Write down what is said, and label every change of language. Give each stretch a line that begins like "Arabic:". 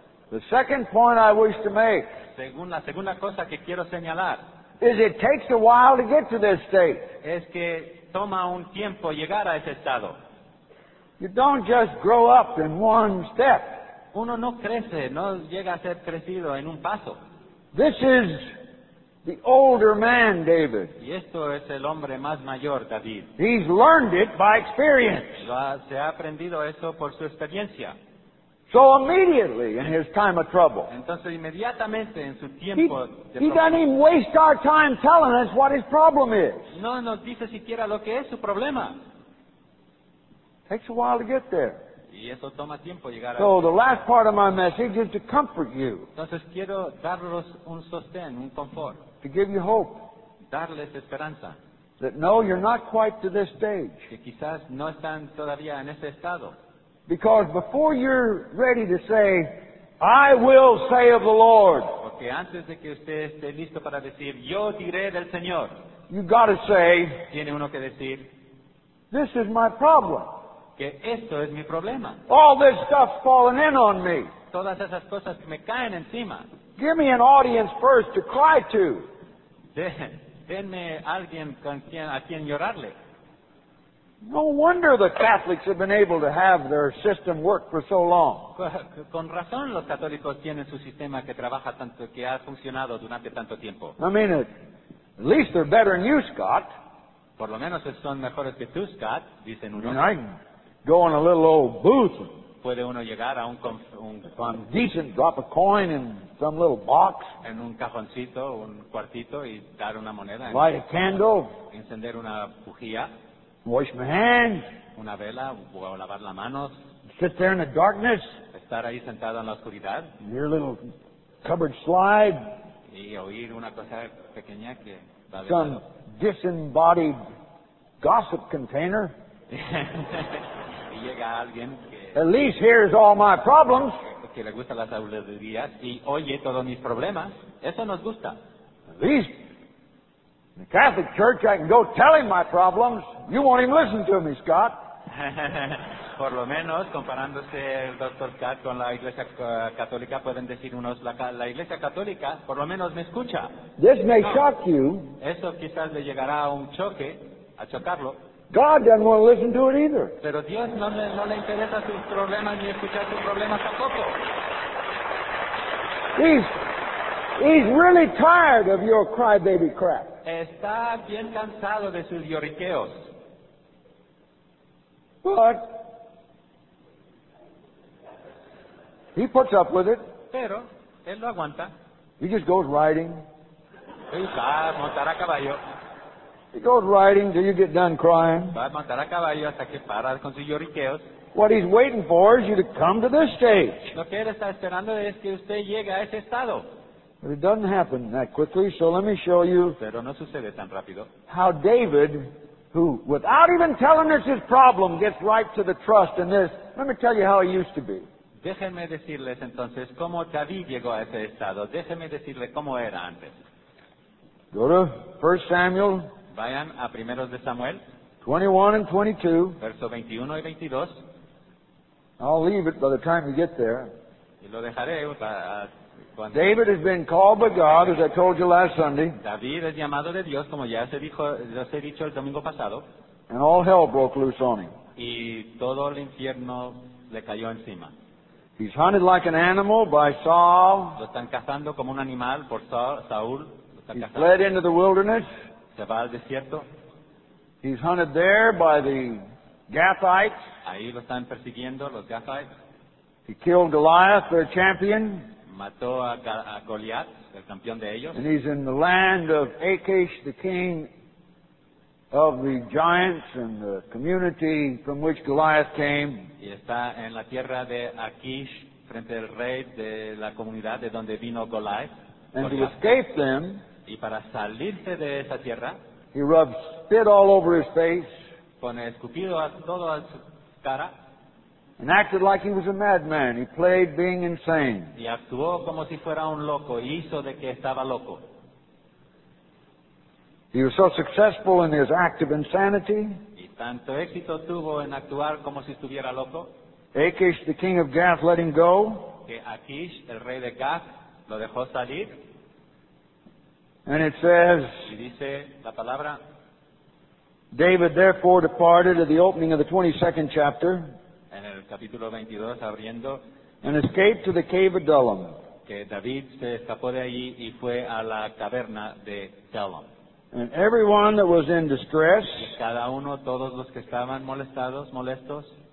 English: The second point I wish to make.
Spanish: La segunda cosa que quiero señalar.
English: Is it takes a while to get to this state.
Spanish: Es que toma un tiempo llegar a ese estado.
English: You don't just grow up in one step.
Spanish: Uno no crece, no llega a ser crecido en un paso.
English: This is the older man, David.
Spanish: Y esto es el hombre más mayor, David.
English: He's learned it by experience.
Spanish: Se ha aprendido eso por su experiencia.
English: So immediately in his time of trouble.
Spanish: Entonces inmediatamente en su tiempo de problema.
English: He doesn't even waste our time telling us what his problem is.
Spanish: No nos dice siquiera lo que es su problema.
English: Takes a while to get there.
Spanish: Y eso toma tiempo llegar
English: so a the last part of my message is to comfort you.
Spanish: Entonces quiero darles un sostén, un confort.
English: To give you hope.
Spanish: Darles esperanza.
English: That no, you're not quite to this stage.
Spanish: Que quizás no están todavía en ese estado.
English: Because before you're ready to say, I will say of the Lord.
Spanish: Porque antes de que usted esté listo para decir, yo diré del Señor.
English: You got to say,
Spanish: tiene uno que decir,
English: this is my problem.
Spanish: Que esto es mi problema.
English: All this stuff falling in on me.
Spanish: Todas esas cosas que me caen encima.
English: Give me an audience first to cry to.
Spanish: Denme alguien a quien llorarle.
English: No wonder the Catholics have been able to have their system work for so long.
Spanish: Con razón los católicos tienen su sistema que trabaja tanto, que ha funcionado durante tanto tiempo.
English: I mean, at least they're better than you, Scott.
Spanish: Por lo menos son mejores que tú, Scott, dicen unos.
English: I can go in a little old booth.
Spanish: Puede uno llegar a un
English: decent, drop a coin in some little box.
Spanish: En un cajoncito, un cuartito, y dar una moneda.
English: Light a candle.
Spanish: Encender una bujía.
English: Wash my hands.
Spanish: Una vela, o lavar las manos.
English: Sit there in the darkness.
Spanish: Estar ahí sentado en la oscuridad.
English: Your little cupboard slide.
Spanish: Y oír una cosa pequeña que va
English: a some disembodied gossip container.
Spanish: Y llega alguien.
English: At least here's all my problems.
Spanish: Que le gustan las habladurías y oye todos mis problemas. Eso nos gusta.
English: At least in the Catholic Church, I can go tell him my problems. You won't even listen to me, Scott.
Spanish: Por lo menos, comparándose el Dr. Scott con la Iglesia Católica, pueden decir unos, la Iglesia Católica, por lo menos me escucha.
English: This may shock you.
Spanish: Eso quizás le llegará a un choque, a chocarlo.
English: God doesn't want to listen to it either.
Spanish: Pero Dios no le interesa sus problemas ni escuchar sus problemas tampoco.
English: He's really tired of your crybaby crap.
Spanish: Está bien cansado de sus lloriqueos.
English: But he puts up with it.
Spanish: Pero él lo aguanta.
English: He just goes riding.
Spanish: Y va a montar a caballo.
English: He goes riding till you get done crying.
Spanish: Va a montar a caballo hasta que para con sus lloriqueos.
English: What he's waiting for is you to come to this stage.
Spanish: Lo que él está esperando es que usted llegue a ese estado.
English: But it doesn't happen that quickly, so let me show you.
Spanish: Pero no sucede tan rápido.
English: How David, who without even telling us his problem, gets right to the trust in this. Let me tell you how he used to be.
Spanish: Déjenme decirles entonces cómo David llegó a ese estado. Déjenme decirle cómo era antes.
English: Go to 1 Samuel.
Spanish: Vayan a primeros de Samuel.
English: 21 and 22.
Spanish: Verso 21 y 22.
English: I'll leave it by the time you get there.
Spanish: Y lo dejaré cuando.
English: David has been called by God, as I told you last Sunday.
Spanish: David es llamado de Dios, como ya os he dicho el domingo pasado.
English: And all hell broke loose on him.
Spanish: Y todo el infierno le cayó encima.
English: He's hunted like an animal by Saul.
Spanish: Lo están cazando como un animal por Saúl.
English: He's fled into the wilderness.
Spanish: Se va al desierto.
English: He's hunted there by the Gathites.
Spanish: Ahí lo están persiguiendo los Gathites.
English: He killed Goliath, their champion.
Spanish: Mató a Goliath, el campeón de ellos.
English: And he's in the land of Achish, the king of the giants and the community from which Goliath came.
Spanish: Y está en la tierra de Achish, frente al rey de la comunidad de donde vino Goliath.
English: And to escape them.
Spanish: Y para salirse de esa tierra,
English: he rubs spit all over his face,
Spanish: pone escupido a todo a su cara,
English: and acted like he was a madman. He played being insane.
Spanish: Y actuó como si fuera un loco. Y hizo de que estaba loco.
English: He was so successful in his act of insanity.
Spanish: Y tanto éxito tuvo en actuar como si estuviera loco.
English: Achish, the king of Gath, let him go.
Spanish: Que Achish, el rey de Gath, lo dejó salir.
English: And it says,
Spanish: y dice la palabra,
English: David therefore departed at the opening of the 22nd chapter,
Spanish: en el capítulo 22, abriendo,
English: and escaped to the cave of Adullam.
Spanish: Que David se escapó de allí y fue a la caverna de Adullam.
English: And everyone that was in distress,
Spanish: y cada uno, todos los que estaban molestados, molestos,